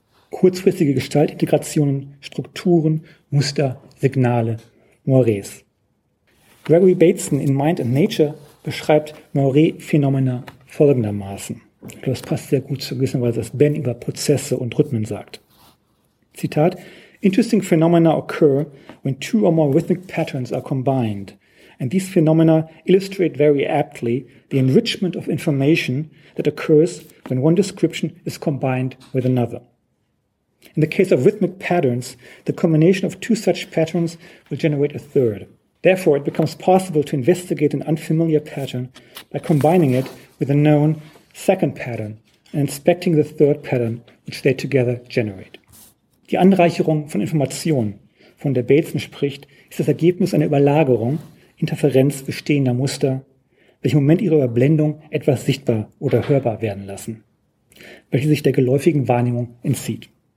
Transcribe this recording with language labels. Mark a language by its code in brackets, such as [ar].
[de] Kurzfristige Gestaltintegrationen, Strukturen, Muster, Signale, Mores. Gregory Bateson in Mind and Nature beschreibt Mores-Phänomene folgendermaßen. Das passt sehr gut zu gewisser Weise, was Ben über Prozesse und Rhythmen sagt. [en] Zitat: Interesting phenomena occur when two or more rhythmic patterns are combined, and these phenomena illustrate very aptly the enrichment of information that occurs when one description is combined with another. In the case of rhythmic patterns, the combination of two such patterns will generate a third. Therefore, it becomes possible to investigate an unfamiliar pattern by combining it with a known second pattern and inspecting the third pattern, which they together generate. [de] Die Anreicherung von Informationen, von der Bateson spricht, ist das Ergebnis einer Überlagerung, Interferenz bestehender Muster, welche im Moment ihrer Überblendung etwas sichtbar oder hörbar werden lassen, welche sich der geläufigen Wahrnehmung entzieht.